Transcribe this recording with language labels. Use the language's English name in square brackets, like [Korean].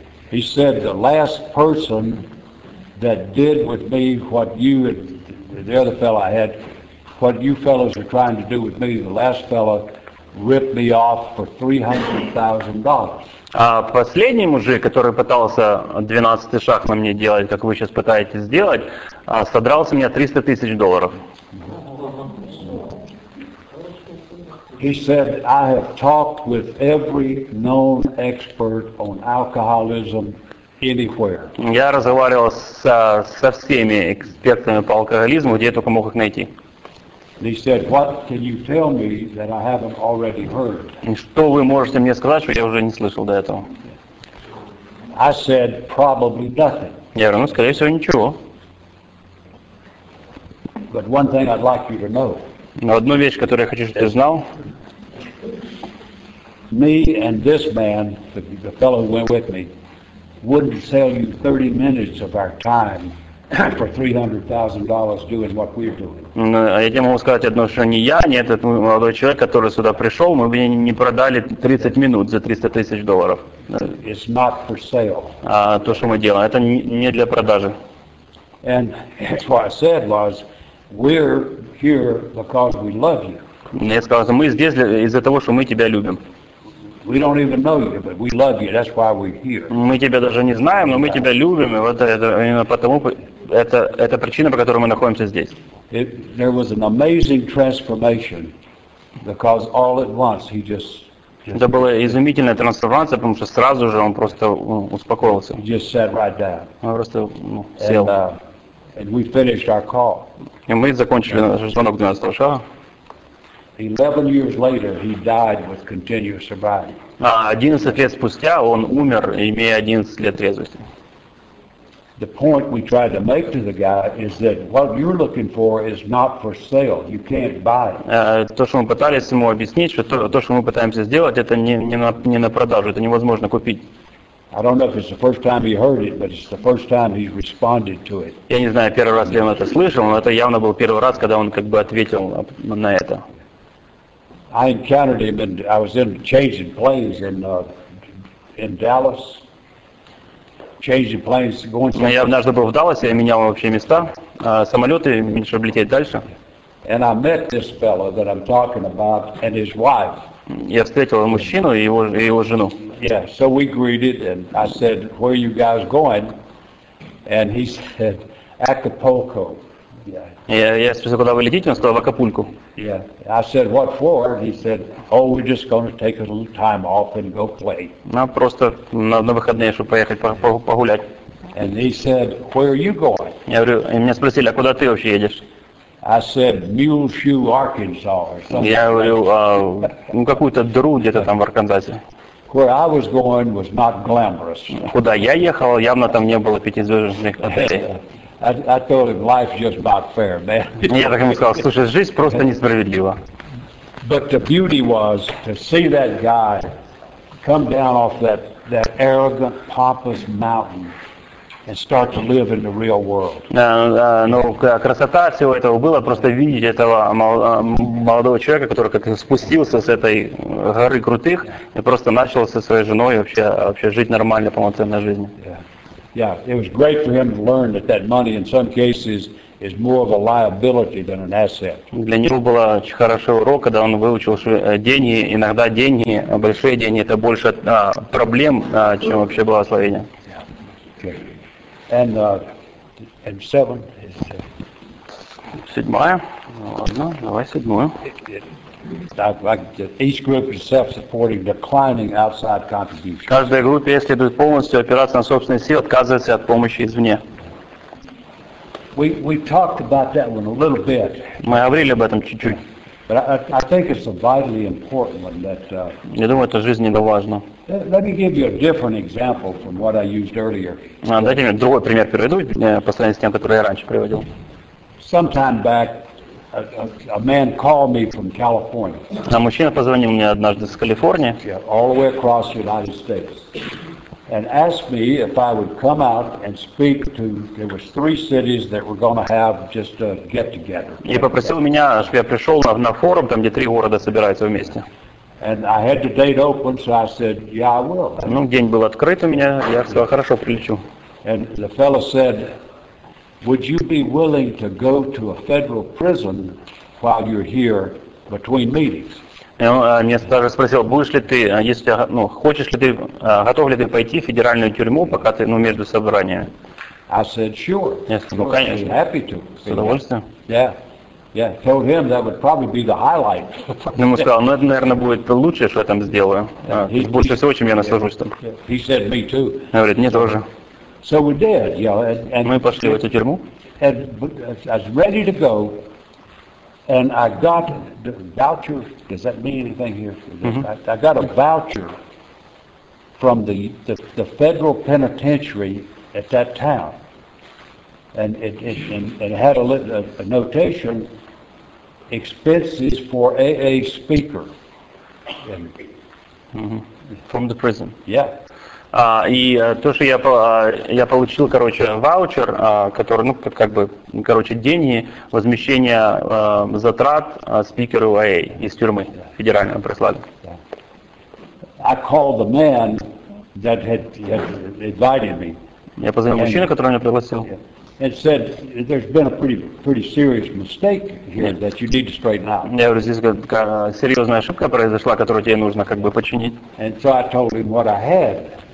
[English] He said, "The last person that did with me what you had." The other fellow I had, what you fellows are trying to do with me, the last fellow ripped me off for $300,000. [Russian] Последний мужик, который пытался 12-й шаг на мне делать, как вы сейчас пытаетесь сделать, содрал с меня $300,000. [English] He said, "I have talked with every known expert on alcoholism." [Russian] Я разговаривал со всеми экспертами по алкоголизму, где я только мог их найти. [English] He said, "What can you tell me that I haven't already heard?" [Russian] Что вы можете мне сказать, что я уже не слышал до этого? [English] I said, "Probably nothing." [Russian] Я говорю, ну, скорее всего, ничего. [English] But one thing I'd like you to know. [Russian] Но одну вещь, которую я хочу, чтобы ты знал. [English] Me and this man, the fellow who went with me. Wouldn't sell you 30 minutes of our time for $300,000 doing what we're doing. [Russian] Я тебе могу сказать одно, что не я, не этот молодой человек, который сюда пришел, мы бы не продали 30 минут за $300,000. [English] It's not for sale. [Russian] То, что мы делаем, это не для продажи. [English] And that's what I said was, we're here because we love you. [Russian] Я сказал, мы здесь из-за того, что мы тебя любим. [English] We don't even know you, but we love you. That's why we're here. [Russian] Мы тебя даже не знаем, но мы тебя любим, и вот это именно потому, это причина, по которой мы находимся здесь. [English] There was an amazing transformation because all at once he just. [Russian] Это была изумительная трансформация, потому что сразу же он просто успокоился. [English] Just sat right down. [Russian] Он просто сел. [English] And we finished our call. [Russian] И мы закончили наш звонок 12-го шага. [English] 11 years later, he died with continuous sobriety. [Russian] 11 лет спустя он умер, имея 11 лет трезвости. [English] The point we tried to make to the guy is that what you're looking for is not for sale. You can't buy it. [Russian] То, что мы пытались ему объяснить, что то, что мы пытаемся сделать, это не на продажу, это невозможно купить. [English] I don't know if it's the first time he heard it, but it's the first time he's responded to it. [Russian] Я не знаю, первый раз ли он это слышал, но это явно был первый раз, когда он как бы ответил на это. [English] I encountered him, and I was in changing planes in Dallas. Changing planes, going to. [Russian] Я однажды был в Далласе, я менял вообще места, самолеты, чтобы лететь дальше. [English] And I met this fellow that I'm talking about and his wife. [Russian] Я встретил мужчину и его жену. [English] Yeah, so we greeted, and I said, "Where are you guys going?" And he said, "Acapulco." Yeah. [Russian] Я спросил, куда вы летите? Он сказал, в Акапулько. [English] Yeah. I said, "What for?" He said, "Oh, we're just going to take a little time off and go play." [Russian] Ну, просто на выходные, чтобы поехать погулять. [English] And he said, "Where are you going?" [Russian] Я говорю, и меня спросили, а куда ты вообще едешь? [English] I said, "Mule Shoe, Arkansas." [Russian] Я говорю, какую-то дыру где-то там в Арканзасе. [English] Where I was going was not glamorous. [Russian] Куда я ехал, явно там не было пятизвездочных отелей. [English] I told him life's just not fair, man. [Russian] Я так ему сказал, слушай, жизнь просто несправедлива. [English] But the beauty was to see that guy come down off that, that arrogant, pompous mountain and start to live in the real world. [Russian] Ну, красота всего этого было просто видеть этого молодого человека, который как-то спустился с этой горы крутых и просто начал со своей женой вообще, вообще жить нормально, полноценной жизнью. [English] Yeah, it was great for him to learn that that money in some cases is more of a liability than an asset. [Russian] Для него было очень хороший урок, когда он выучил, что деньги, иногда деньги, большие деньги, это больше проблем, чем вообще благословение. [English] And and seven is [Russian] седьмая. Ладно, давай седьмую. [English] Each group is self-supporting, declining outside contributions. [Russian] Каждая группа, если будет полностью опираться на собственные силы, отказывается от помощи извне. [English] We talked about that one a little bit. [Russian] Мы говорили об этом чуть-чуть. [English] But I think it's a vitally important one that. [Russian] Я думаю, это жизненно важно. [English] Let me give you a different example from what I used earlier. [Russian] Дайте мне другой пример приведу, по сравнению с тем, который я раньше приводил. [English] Some time back, a man called me from California. [Russian] А мужчина позвонил мне однажды с Калифорнии. [English] Yeah, all the way across the United States. And asked me if I would come out and speak to. There were three cities that were going to have just a get together. [Russian] И попросил меня, чтобы я пришел на форум, там где три города собираются вместе. [English] And I had the date open, so I said, "Yeah, I will." [Russian] Ну, день был открыт у меня, я сказал, хорошо, прилечу. [English] And the fellow said, "Would you be willing to go to a federal prison while you're here between meetings?" [Russian] И он мне даже спросил, будешь ли ты, если, ну, хочешь ли ты, готов ли ты пойти в федеральную тюрьму, пока ты, ну, между собраниями? [English] I said, sure. [Russian] Я сказал, ну, конечно. [English] Happy to. [Russian] С удовольствием. [English] Yeah. Yeah. Told him that would probably be the highlight. [Russian] Ему сказал, ну, это, наверное, будет лучшее, что я там сделаю. [English] Yeah. [Russian] Больше всего, чем я наслажусь там. [English] He said, me too. [Russian] Он говорит, мне тоже. [English] So we did, you know, and [Russian] мы пошли в эту тюрьму. [English] And I was ready to go. And I got the voucher. Does that mean anything here? Mm-hmm. I got a voucher from the federal penitentiary at that town, and it had a notation: expenses for AA speaker. And, from the prison. Yeah. [Russian] И то, что я получил, короче, ваучер, который, ну, как бы, короче, деньги, возмещение затрат спикеру АА из тюрьмы федерального прислали. [English] I called the man that had invited me. [Russian] Я позвонил мужчину, который меня пригласил. [English] And said, there's been a pretty serious mistake here that you need to straighten out. [Russian] Я говорю, здесь серьезная ошибка произошла, которую тебе нужно как бы починить. [English] And so I told him what I had.